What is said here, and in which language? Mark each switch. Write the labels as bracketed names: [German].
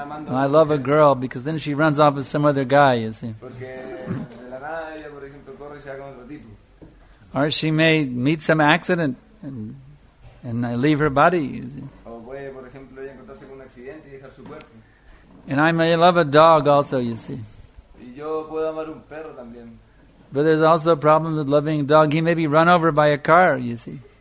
[English] I love a girl because then she runs off with some other guy, you see. [Spanish] Porque de la nada ella, por ejemplo, corre y se va con otro tipo. [English] Or she may meet some accident and I leave her body, you see. And I may love a dog also, you see. [Spanish] Y yo puedo amar un perro también. [English] But there's also a problem with loving a dog. He may be run over by a car, you see.